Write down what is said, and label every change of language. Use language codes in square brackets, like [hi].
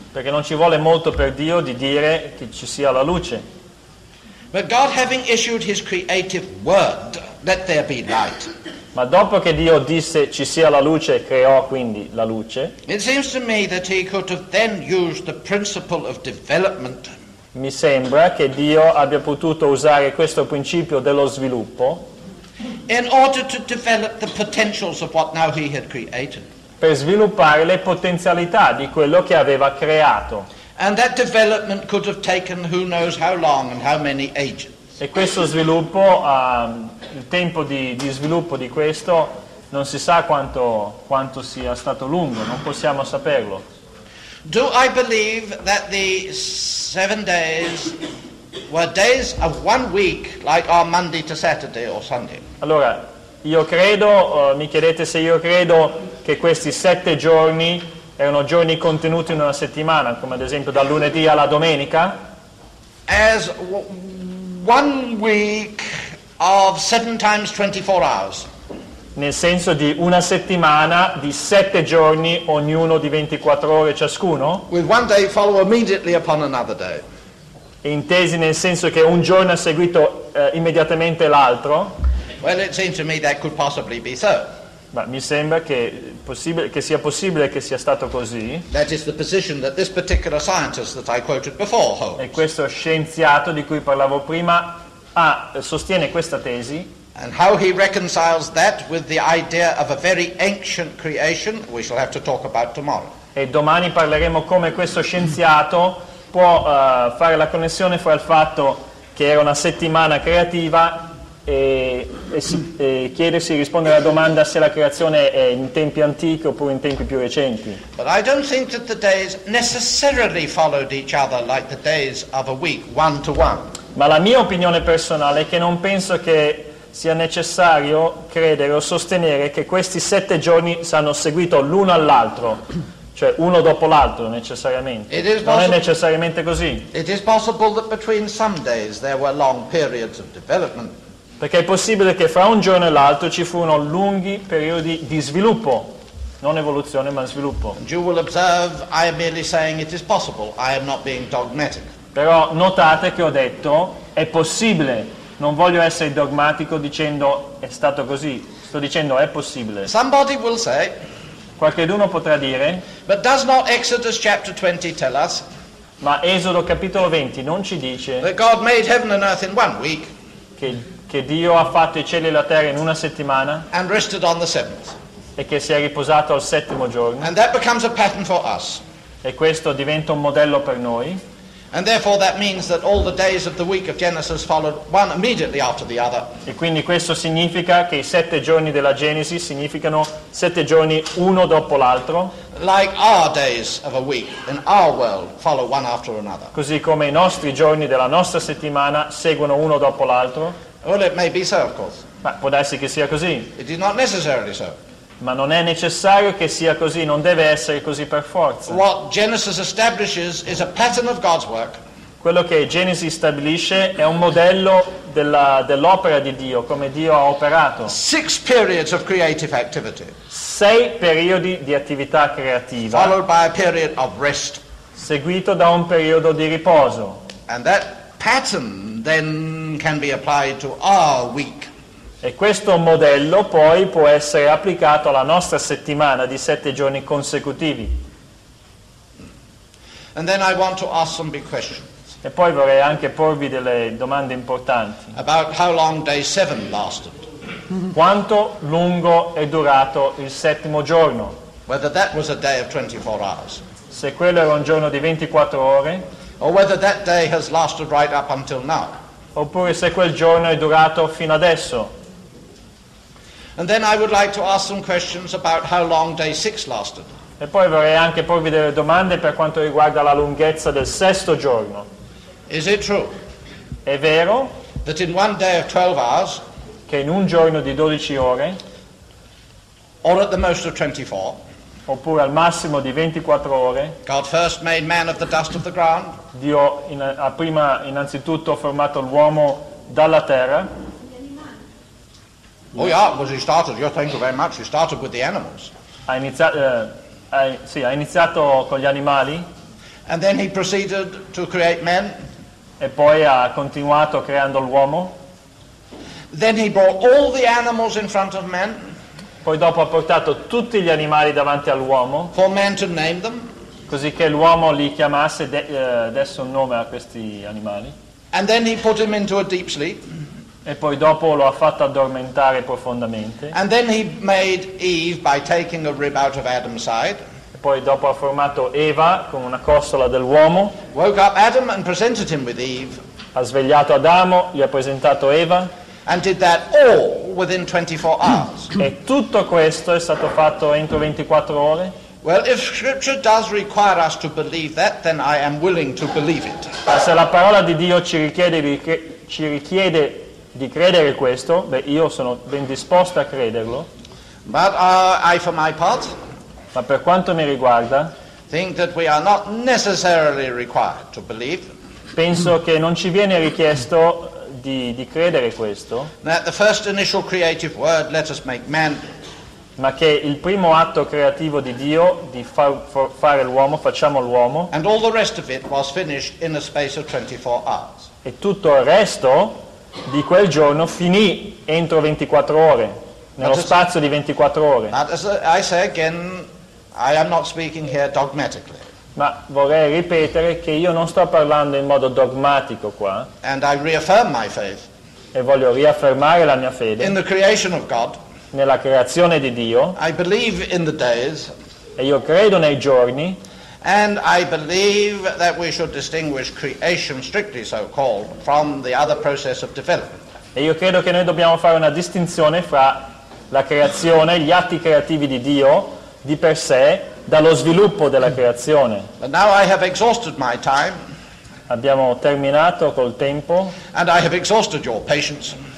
[it] Perché non ci vuole molto per Dio di dire che ci sia la luce. [en] But God having issued his creative word, let there be light. [it] Ma dopo che Dio disse ci sia la luce, creò quindi la luce. [en] It seems to me that he could have then used the principle of development. [it] Mi sembra che Dio abbia potuto usare questo principio dello sviluppo [en] in order to develop the potentials of what now he had created. [it] Per sviluppare le potenzialità di quello che aveva creato. [en] And that development could have taken who knows how long and how many ages. [it] E questo sviluppo, il tempo di sviluppo di questo non si sa quanto sia stato lungo, non possiamo saperlo. [en] Do I believe that the 7 days were days of 1 week, like our Monday to Saturday or Sunday? [it] Allora, io credo, mi chiedete se io credo che questi 7 giorni erano giorni contenuti in una settimana, come ad esempio dal lunedì alla domenica? [en] As 1 week of 7 times 24 hours. [it] Nel senso di una settimana di 7 giorni, ognuno di 24 ore ciascuno. [en] With one day follow immediately upon another day. [it] Intesi nel senso che un giorno è seguito immediatamente l'altro. [en] Well, it seems to me that could possibly be so. [it] Ma mi sembra che sia possibile che sia stato così. [en] That is the position that this particular scientist that I quoted before holds. [it] E questo scienziato di cui parlavo prima sostiene questa tesi. [en] And how he reconciles that with the idea of a very ancient creation, we shall have to talk about tomorrow. [it] E domani parleremo come questo scienziato può fare la connessione fra il fatto che era una settimana creativa e chiedersi, rispondere alla domanda se la creazione è in tempi antichi oppure in tempi più recenti. [en] But I don't think that the days necessarily followed each other like the days of a week, one to one. [it] Ma la mia opinione personale è che non penso che sia necessario credere o sostenere che questi 7 giorni siano seguiti l'uno all'altro, cioè uno dopo l'altro necessariamente. Non è necessariamente così. [en] It is possible that between some days there were long periods of development. [it] Perché è possibile che fra un giorno e l'altro ci furono lunghi periodi di sviluppo, non evoluzione ma sviluppo. [en] You will observe, I am merely saying it is possible. I am not being dogmatic. [it] Però notate che ho detto è possibile. Non voglio essere dogmatico dicendo è stato così, sto dicendo è possibile. [en] Somebody will say, [it] qualcheduno potrà dire, [en] but does not Exodus chapter 20 tell us, [it] ma Esodo capitolo 20 non ci dice, [en] that God made heaven and earth in 1 week, [it] che Dio ha fatto i cieli e la terra in una settimana, [en] and rested on the seventh, [it] e che si è riposato al settimo giorno, [en] and that becomes a pattern for us, [it] e questo diventa un modello per noi. [en] And therefore that means that all the days of the week of Genesis followed one immediately after the other. [it] E quindi questo significa che i 7 giorni della Genesi significano 7 giorni uno dopo l'altro. [en] Like our days of a week in our world follow one after another. [it] Così come i nostri giorni della nostra settimana seguono uno dopo l'altro. [en] Well, it may be so, of course. [it] Ma può darsi che sia così. [en] It is not necessarily so. [it] Ma non è necessario che sia così, non deve essere così per forza. [en] What Genesis establishes is a pattern of God's work. [it] quello che Genesi stabilisce è un modello della, dell'opera di Dio, come Dio ha operato. [en] Six periods of creative activity. [it] Sei periodi di attività creativa. [en] Followed by a period of rest. [it] Seguito da un periodo di riposo. [en] And that pattern then can be applied to our week. [it] E questo modello poi può essere applicato alla nostra settimana di sette giorni consecutivi. [en] And then I want to ask some big questions. [it] E poi vorrei anche porvi delle domande importanti. [en] About how long day seven lasted. [it] Quanto lungo è durato il settimo giorno? [en] Whether that was a day of 24 hours. [it] Se quello era un giorno di 24 ore. [en] Or whether that day has lasted right up until now. [it] Oppure se quel giorno è durato fino adesso. [en] And then I would like to ask some questions about how long day six lasted. [it] E poi vorrei anche porvi delle domande per quanto riguarda la lunghezza del sesto giorno. [en] Is it true? [it] È vero? [en] That in one day of 12 hours. [it] Che in un giorno di 12 ore. [en] Or at the most of 24. [it] Oppure al massimo di 24 ore. [en] God first made man of the dust of the ground. [it] Dio ha prima innanzitutto formato l'uomo dalla terra. [en] Oh yeah, because he started, you think very much, he started with the animals. [it] Ha iniziato con gli animali. [en] And then he proceeded to create men. [it] E poi ha continuato creando l'uomo. [en] Then he brought all the animals in front of men. [it] Poi dopo ha portato tutti gli animali davanti all'uomo. [en] For man to name them. [it] Così che l'uomo li chiamasse, desse un nome a questi animali. [en] And then he put him into a deep sleep. [it] E poi dopo lo ha fatto addormentare profondamente. [en] And then he made Eve by taking a rib out of Adam's side. [it] E poi dopo ha formato Eva con una costola dell'uomo. [en] Woke up Adam and presented him with Eve. [it] Ha svegliato Adamo, gli ha presentato Eva. [en] And did that all within 24 hours. [it] E tutto questo è stato fatto entro 24 ore. [en] Well, if scripture does require us to believe that, then I am willing to believe it. [it] Ma se la parola di Dio ci richiede di credere questo, beh, io sono ben disposto a crederlo. [en] But I for my part, [it] ma per quanto mi riguarda, [en] think that we are not necessarily required to believe. [it] Penso che non ci viene richiesto di credere questo. [en] That the first initial creative word, let us make man. [it] Ma che il primo atto creativo di Dio, di fare l'uomo, facciamo l'uomo. [en] And all the rest of it was finished in a space of 24 hours. [it] E tutto il resto di quel giorno finì entro 24 ore, nello spazio di 24 ore. [en] But as I say again, I am not speaking here dogmatically. [it] Ma vorrei ripetere che io non sto parlando in modo dogmatico qua. [en] And I reaffirm my faith. [it] E voglio riaffermare la mia fede. [en] In the creation of God. [it] Nella creazione di Dio. [en] I believe in the days. [it] E io credo nei giorni. [en] And I believe that we should distinguish creation, strictly so called, from the other process of development. [it] E io credo che noi dobbiamo fare una distinzione fra la creazione, gli atti creativi di Dio, di per sé, dallo sviluppo della creazione. [en] But now I have exhausted my time. [it] Abbiamo terminato col tempo. [en] And I have exhausted your patience.